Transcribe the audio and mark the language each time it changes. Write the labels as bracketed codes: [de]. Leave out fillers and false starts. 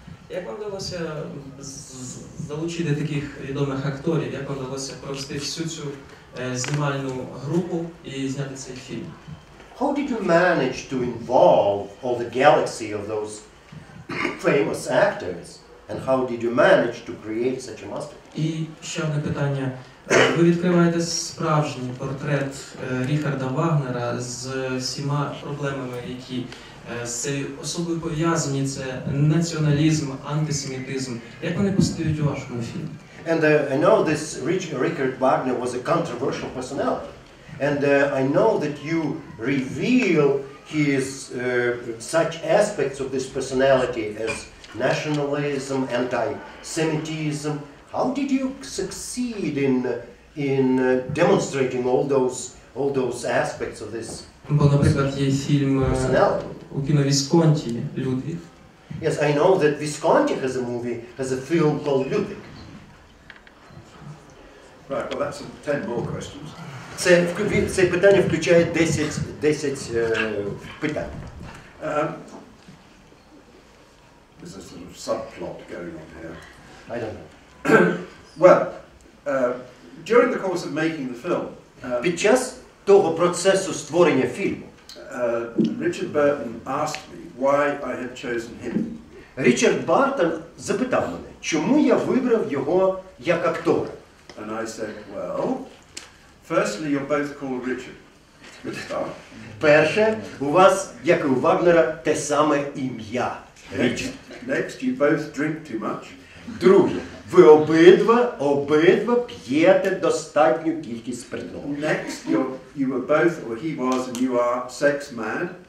[uk] Як вам вдалося залучити таких відомих акторів? Як вам вдалося провести всю цю знімальну групу і зняти цей фільм? [en] How did you manage to involve all the galaxy of those famous actors? And how did you manage to create such a masterpiece? [uk] І ще одне питання. Ви відкриваєте справжній портрет Ріхарда Вагнера з всіма проблемами, які з цією особою пов'язані, це націоналізм, антисемітизм. Як вони постають у вашому фільмі? [en] And I know this Richard Wagner was a controversial personality. And I know that you reveal his such aspects of this personality as nationalism, anti-Semitism. How did you succeed in demonstrating all those aspects of this? [uk] Бо, наприклад, є фільм у кіно Вісконті «Людвіг». [en] Yes, I know that Visconti has a film called «Людвіг». Right, well, that's 10 more questions. [uk] Це питання включає 10 питань. [en] There's a sort of subplot going on here. I don't know. Well, during the course of making the film... [uk] Під час того процесу створення фільму... [en] Richard Burton asked me why I had chosen him. [uk] Richard Burton запитав мене, чому я вибрав його як актора. [en] And I said, well, firstly, you're both called Richard. Good start. [uk] Перше, у вас, як і у Вагнера, те саме ім'я – Richard. [en] Next, you both drink too much. [uk] Друге, ви обидва п'єте достатню кількість спиртного. [en] Next, you were both, or he was, and you are, sex man.